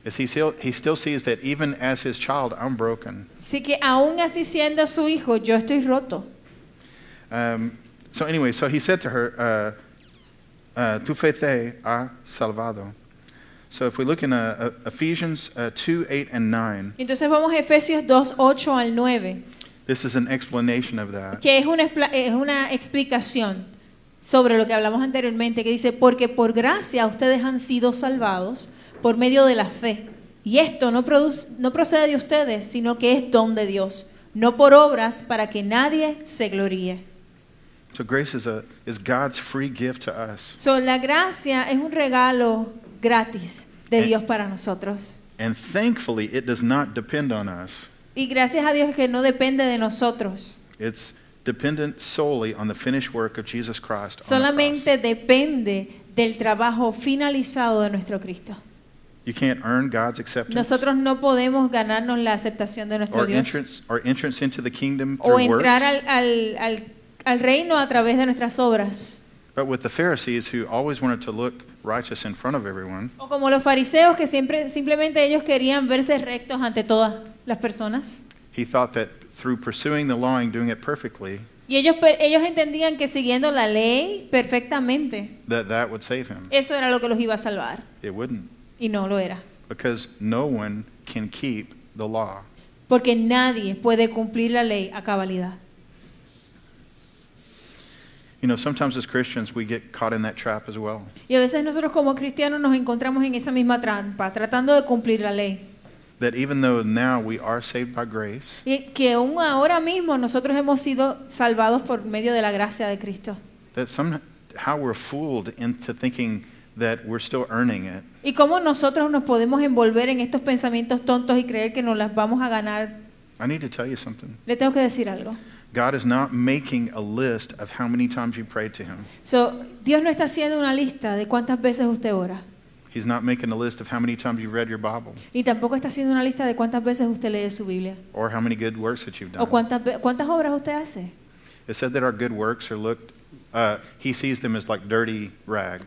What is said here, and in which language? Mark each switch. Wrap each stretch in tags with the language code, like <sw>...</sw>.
<en>Is he still sees that even as his child, I'm broken.</en> <es>Sí, que aún así siendo su hijo, yo estoy roto.</es> <en>So anyway, so he said to her,</en> <es>"Tu fe te ha salvado."</es> <en>So if we look in Ephesians 2, 8, and 9.</en> <es>Entonces vamos a Efesios 2, 8 al 9.</es> <en>This is an explanation of that.</en> <es>Que es una explicación sobre lo que hablamos anteriormente, que dice, porque por gracia ustedes han sido salvados por medio de la fe. Y esto no procede de ustedes, sino que es don de Dios. No por obras para que nadie se gloríe.</es> <en>So grace is God's free gift to us.</en> <es>So la gracia es un regalo gratis de Dios para nosotros.</es> <en>And thankfully, it does not depend on us.</en> <es>Y gracias a Dios que no depende de nosotros.</es> <en>It's dependent solely on the finished work of Jesus Christ.</en> <es>Solamente depende del trabajo finalizado de nuestro Cristo.</es> <en>You can't earn God's acceptance.</en> <es>Nosotros no podemos ganarnos la aceptación de nuestro Dios.</es> <en>Or entrance into the kingdom through works.</en> <es>O entrar al reino a través de nuestras obras.</es> <en>But with the Pharisees who always wanted to look righteous in front of everyone.</en> <es>O como los fariseos que siempre simplemente ellos querían verse rectos ante todas las personas.</es> <en>He thought that through pursuing the law and doing it perfectly.</en> <es>Y ellos entendían que siguiendo la ley perfectamente.</es> <en>That would save him.</en> <es>Eso era lo que los iba a salvar.</es> <en>It wouldn't.</en> <es>Y no lo era.</es> <en>Because no one can keep the law.</en> <es>Porque nadie puede cumplir la ley a cabalidad.</es> <en>You know, sometimes as Christians we get caught in that trap as well.</en> <es>Y a veces nosotros como cristianos nos encontramos en esa misma trampa, tratando de cumplir la ley.</es> <en>That even though now we are saved by grace.</en> <es>Y que aún ahora mismo nosotros hemos sido salvados por medio de la gracia de Cristo.</es> <en>That somehow we're fooled into thinking that we're still earning it.</en> <es>Y cómo nosotros nos podemos envolver en estos pensamientos tontos y creer que nos las vamos a ganar.</es> <en>I need to tell you something.</en> <es>Le tengo que decir algo.</es> <en>God is not making a list of how many times you prayed to him.</en> <es>So, Dios no está haciendo una lista de cuántas veces usted ora.</es> <en>He's not making a list of how many times you've read your Bible.</en> <es>Y tampoco está haciendo una lista de cuántas veces usted lee su Biblia.</es> <en>Or how many good works that you've done.</en> <es>O cuántas obras usted hace.</es> <en>It said that our good works are looked, he sees them as like dirty rags.</en>